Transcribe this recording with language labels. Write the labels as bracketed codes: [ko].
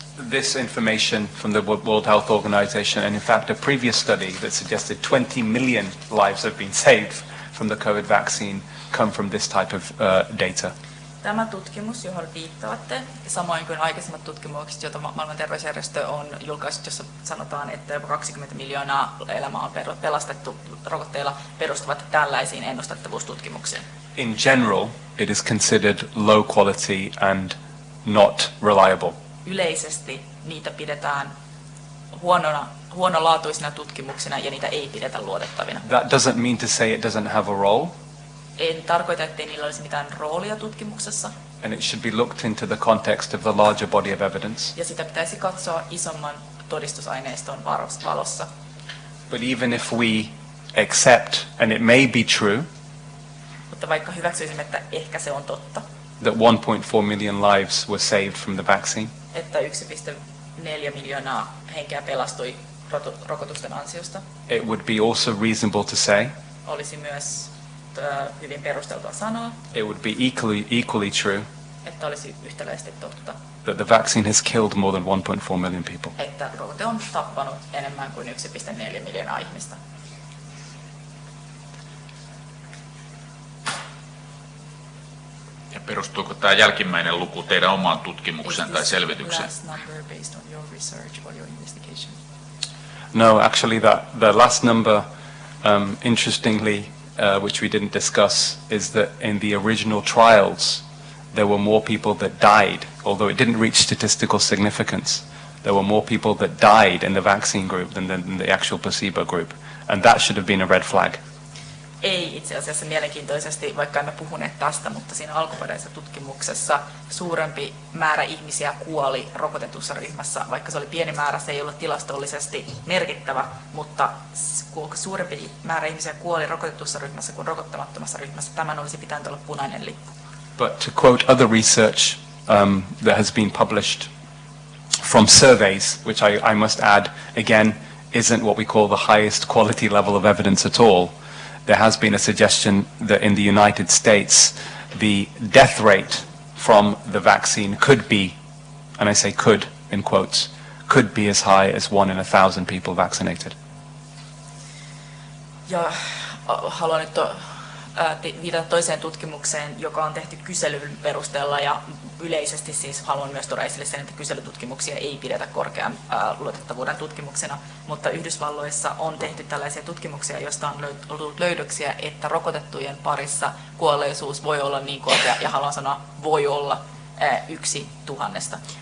[en] This information from the World Health Organization, and in fact a previous study that suggested 20 million lives have been saved from the COVID vaccine, come from this type of data. [fi] Tämä tutkimus, johon viittaatte, samoin kuin aikaisemmat tutkimukset, joita Maailman terveysjärjestö on julkaissut, jossa sanotaan, että 20 miljoonaa elämää on pelastettu rokotteilla, perustuvat tällaisiin ennustettavuustutkimuksiin. [en] In general, it is considered low quality and not reliable. [fi] Yleisesti niitä pidetään huonolaatuisina tutkimuksina ja niitä ei pidetä luotettavina. [en] That doesn't mean to say it doesn't have a role. [fi] En tarkoita, ettei niillä olisi mitään roolia tutkimuksessa. [en] And it should be looked into the context of the larger body of evidence. [fi] Ja sitä pitäisi katsoa isomman todistusaineiston valossa. [en] But even if we accept, and it may be true, [fi] mutta vaikka hyväksyisimme, että ehkä se on totta, [en] that 1.4 million lives were saved from the vaccine, [fi] että 1.4 miljoonaa henkeä pelastui rokotusten ansiosta, [en] it would be also reasonable to say, [fi] olisi myös hyvin perusteltua sanoa, [en] it would be equally true, [fi] että olisi yhtäläisesti totta, [en] that the vaccine has killed more than 1.4 million people, [fi] että rokote on tappanut enemmän kuin 1.4 miljoonaa ihmistä. Ja perustuuko tämä jälkimmäinen luku teidän omaan tutkimukseen tai selvitykseen? [en] Is this last number based on your research or your investigation? No, actually the last number, interestingly, which we didn't discuss, is that in the original trials, there were more people that died, although it didn't reach statistical significance. There were more people that died in the vaccine group than the actual placebo group, and that should have been a red flag. [fi] Ei itse asiassa mielenkiintoisesti, vaikka emme puhuneet tästä, mutta siinä alkuperäisessä tutkimuksessa suurempi määrä ihmisiä kuoli rokotetussa ryhmässä, vaikka se oli pieni määrä, se ei ollut tilastollisesti merkittävä, mutta suurempi määrä ihmisiä kuoli rokotetussa ryhmässä kuin rokottamattomassa ryhmässä. Tämän olisi pitänyt olla punainen lippu. [en] But to quote other research that has been published from surveys, which I must add, again, isn't what we call the highest quality level of evidence at all. There has been a suggestion that in the United States the death rate from the vaccine could be, and I say could in quotes, could be as high as 1 in 1,000 people vaccinated. [fi] Ja haluan nyt viitata toiseen tutkimukseen, joka on tehty kyselyn perusteella, ja yleisesti siis haluan myös tuoda esille sen, että kyselytutkimuksia ei pidetä korkean luotettavuuden tutkimuksena, mutta Yhdysvalloissa on tehty tällaisia tutkimuksia, joista on ollut löydöksiä, että rokotettujen parissa kuolleisuus voi olla niin korkea, ja haluan sanoa, voi olla 1 000:sta.